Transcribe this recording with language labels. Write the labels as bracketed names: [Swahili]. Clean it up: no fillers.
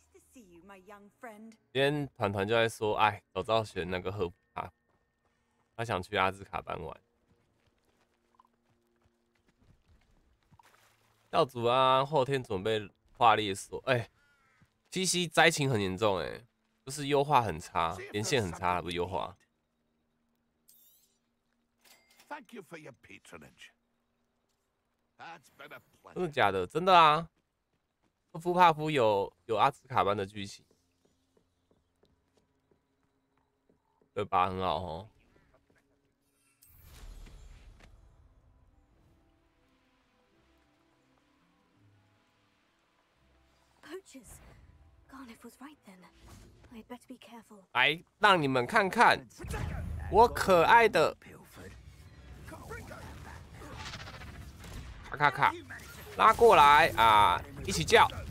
[Chinese] 今天团团就在说，哎，早知道选那个赫普帕，他想去阿兹卡班玩。教主啊，后天准备画裂锁，哎 ，PC 灾情很严重、欸，哎，就是优化很差，连线很差，不优化。 [English] Thank you for your patronage. That's been a pleasure. [Chinese] 真的假的？真的啊，赫普帕夫有阿兹卡班的剧情。对吧，很好齁。 [English] Poachers, Garnet was right then. I'd better be careful. [Chinese] 来，让你们看看我可爱的。咔咔咔，拉过来啊，一起叫。